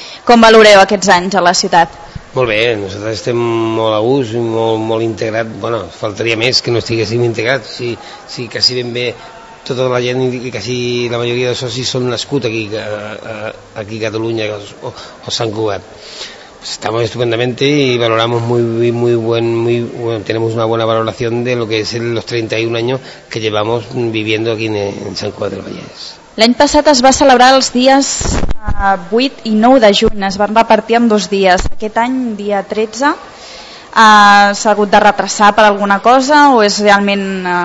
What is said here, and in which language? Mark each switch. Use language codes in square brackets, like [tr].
[ca] Com valoreu aquests anys a la ciutat? Molt bé, nosaltres estem molt a gust, molt integrat. Bueno, faltaria més que no estiguéssim integrats, si quasi ben bé tota la gent i quasi la majoria de socis són nascuts aquí a Catalunya o Sant Cugat. [es] Estamos estupendamente y valoramos muy bueno, tenemos una buena valoración de lo que es los 31 años que llevamos viviendo aquí en San Cugat del Vallès. [ca] L'any passat es va celebrar els dies 8 i 9 de juny, es van repartir en dos dies. Aquest any, dia 13, s'ha hagut de retrasar per alguna cosa o és realment...